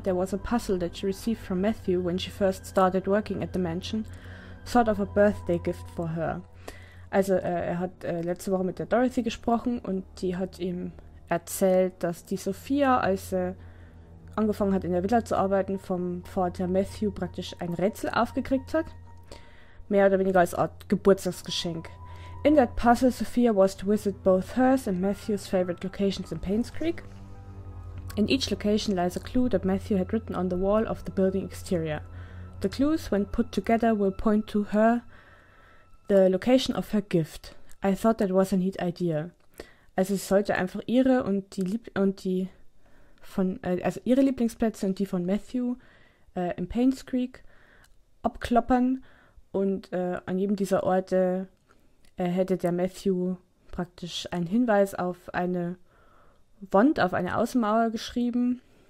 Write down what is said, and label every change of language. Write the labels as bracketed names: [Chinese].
[English] There was a puzzle that she received from Matthew when she first started working at the mansion. Sort of a birthday gift for her. [German] Also er hat letzte Woche mit der Dorothy gesprochen und die hat ihm erzählt, dass die Sophia als angefangen hat in der Villa zu arbeiten, vom Vater Matthew praktisch ein Rätsel aufgekriegt hat. Mehr oder weniger als Art Geburtstagsgeschenk. [English] In that puzzle, Sophia was to visit both hers and Matthew's favorite locations in Payne's Creek. In each location lies a clue that Matthew had written on the wall of the building exterior. The clues, when put together, will point to her, the location of her gift. I thought that was a neat idea. [German] Also es sollte einfach ihre und die Lieb und die von, also ihre Lieblingsplätze und die von Matthew im Payne's Creek abkloppern und an jedem dieser Orte hätte der Matthew praktisch einen Hinweis auf eine Wand, auf eine Außenmauer geschrieben.